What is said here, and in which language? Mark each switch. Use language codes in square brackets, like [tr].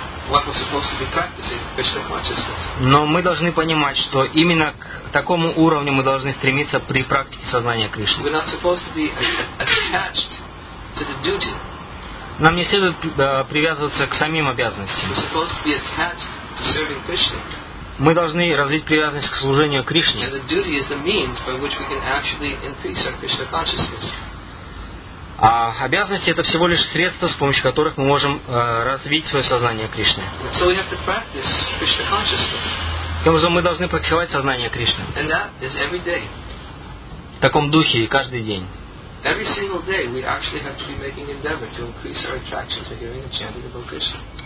[en] What we're supposed to be practicing, Krishna consciousness. [ru] Но мы должны понимать, что именно к такому уровню мы должны стремиться при практике сознания Кришны. [en] We're not supposed to be attached to the duty. [ru] Нам не следует привязываться к самим обязанностям. [en] We're supposed to be attached to serving Krishna. [ru] Мы должны развить привязанность к служению Кришне. [en] And the duty is the means by which we can actually increase our Krishna consciousness. [ru] А обязанности — это всего лишь средства, с помощью которых мы можем развить свое сознание Кришны. [en] So we have to practice Krishna consciousness. [ru] Таким образом, мы должны практиковать сознание Кришны. [en] And that is every day. [ru] В таком духе и каждый день. [en] Every single day we actually have to be making endeavor to increase our attraction to hearing and chanting about Krishna.